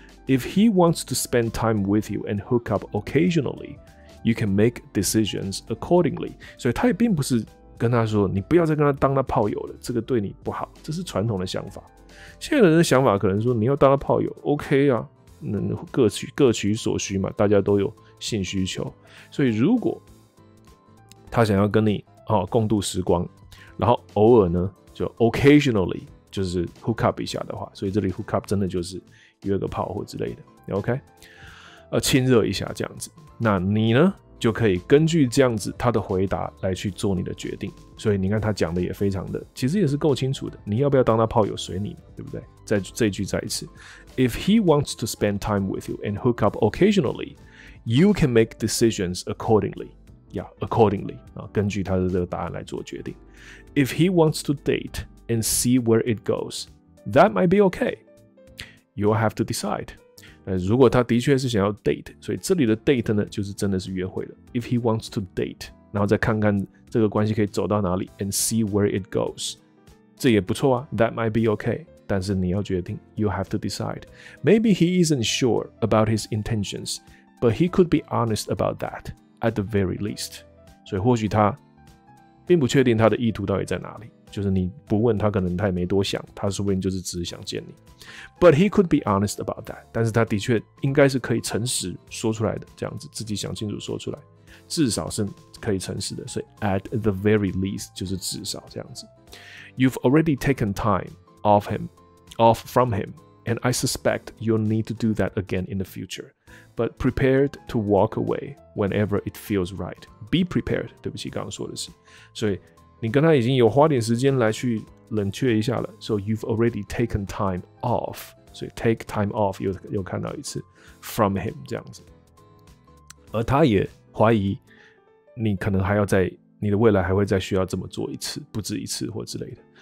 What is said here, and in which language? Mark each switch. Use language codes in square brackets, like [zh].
[en] If he wants to spend time with you and hook up occasionally, you can make decisions accordingly。 [zh] 所以他也并不是跟他说你不要再跟他当他炮友了，这个对你不好，这是传统的想法。现在的人的想法可能说你要当他炮友 ，OK 啊。各取所需嘛，大家都有性需求，所以如果他想要跟你、哦、共度时光，然后偶尔呢就 occasionally 就是 hook up 一下的话，所以这里 hook up 真的就是约个炮或之类的 ，OK， 亲热一下这样子，那你呢就可以根据这样子他的回答来去做你的决定，所以你看他讲的也非常的，其实也是够清楚的，你要不要当他炮友随你，对不对？再这句再一次。 [en] If he wants to spend time with you and hook up occasionally, you can make decisions accordingly. Yeah, accordingly. [zh] 根据他的这个答案来做决定。 [en] If he wants to date and see where it goes, that might be okay. You'll have to decide. [zh] 如果他的确是想要 date, 所以这里的 date 呢就是真的是约会的。 [en] If he wants to date, [zh] 然后再看看这个关系可以走到哪里 [en] and see where it goes. [zh] 这也不错啊 [en] that might be okay. [zh] 但是你要决定 [en] ，you have to decide. Maybe he isn't sure about his intentions, but he could be honest about that at the very least. [zh] 所以或许他并不确定他的意图到底在哪里，就是你不问他，可能他也没多想，他说不定就是只是想见你。 [en] But he could be honest about that. [zh] 但是他的确应该是可以诚实说出来的，这样子自己想清楚说出来，至少是可以诚实的。所以 at the very least 就是至少这样子。 [en] You've already taken time. Off from him, and I suspect you'll need to do that again in the future. But prepared to walk away whenever it feels right. Be prepared. [zh] 对不起，刚刚说的是，所以你跟他已经有花点时间来去冷却一下了。 [en] So you've already taken time off. [zh] 所以 take time off 又看到一次 [en] from him [zh] 这样子，而他也怀疑你可能还要在你的未来还会再需要这么做一次，不止一次或之类的。